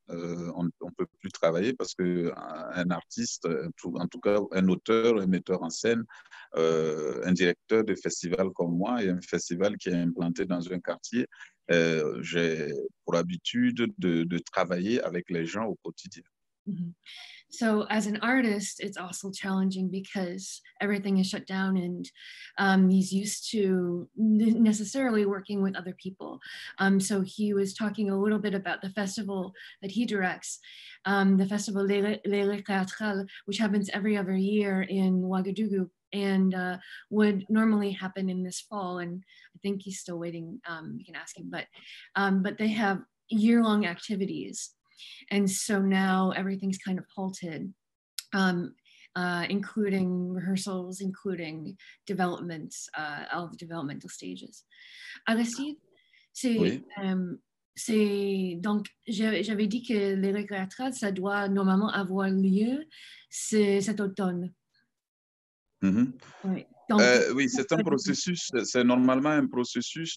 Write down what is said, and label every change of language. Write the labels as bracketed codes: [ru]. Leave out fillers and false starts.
[fr] On ne peut plus travailler parce qu'un artiste, en tout cas un auteur, un metteur en scène, un directeur de festival comme moi, et un festival qui est implanté dans un quartier, j'ai pour habitude de travailler avec les gens au quotidien. [en] So as an artist, it's also challenging because everything is shut down and he's used to necessarily working with other people. So he was talking a little bit about the festival that he directs, the festival Les Récréatrales, which happens every other year in Ouagadougou and would normally happen in this fall. And I think he's still waiting, you can ask him, but they have year-long activities. And so now everything's kind of halted, including rehearsals, including developments, all the developmental stages. [fr] Aristide, c'est donc j'avais dit que les récréatrices, ça doit normalement avoir lieu cet automne. Mm-hmm. Ouais. Oui, c'est un processus. C'est normalement un processus.